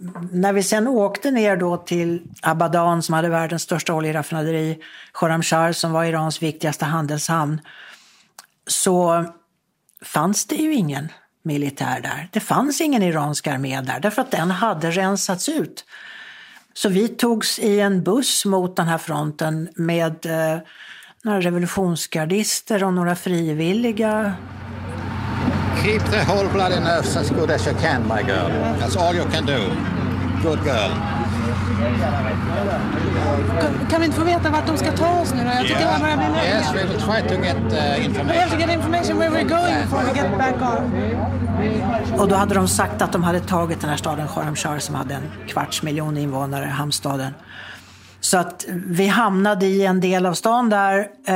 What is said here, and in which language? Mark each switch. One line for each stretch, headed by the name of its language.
Swedish: När vi sen åkte ner då till Abadan, som hade världens största oljeraffinaderi, Khorramshahr, som var Irans viktigaste handelshamn, så fanns det ju ingen militär där. Det fanns ingen iransk armé där, därför att den hade rensats ut. Så vi togs i en buss mot den här fronten med några revolutionsgardister och några frivilliga.
English: Keep the whole bloody nerves as good as you can, my girl. That's all you can do. Good girl.
Swedish: Kan vi inte få veta vart de ska ta oss nu då? Jag tycker att man har blivit lärliga.
English: Yes, we will try to get information. We have to get information where we're going before we get back on.
Swedish: Och då hade de sagt att de hade tagit den här staden Khorramshahr, som hade en kvarts miljon invånare, hamnstaden. Så att vi hamnade i en del av stan där.